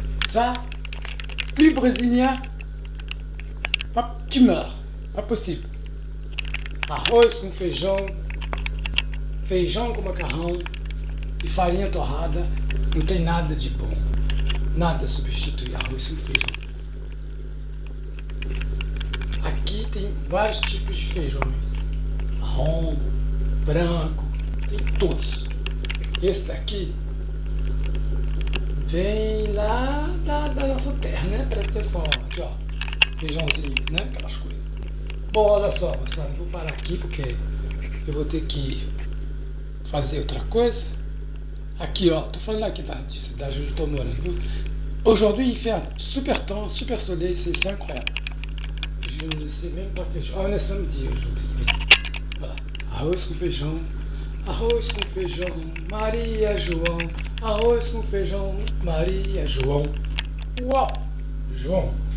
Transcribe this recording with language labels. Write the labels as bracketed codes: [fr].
[fr] Ça, plus brésilien, tu meurs, pas possible. [pt] Arroz com feijão, feijão com macarrão e farinha torrada, não tem nada de bom. Nada substitui arroz com feijão. Aqui tem vários tipos de feijões. Marrom, branco, tem todos. Esse daqui... Vem lá da nossa terra, né? Presta atenção, ó. Aqui, ó. feijãozinho, né? Aquelas coisas. Bom, olha só, moçada, vou parar aqui porque eu vou ter que fazer outra coisa. Aqui, ó, tô falando aqui da cidade onde eu tô morando. [fr] Aujourd'hui, il fait super temps, super soleil, c'est incroyable. Je ne sais même pas que je... Ah, on est samedi aujourd'hui. [pt] Voilà. Arroz com feijão. Arroz com feijão, Maria João. Arroz com feijão, Maria João. Uau! João.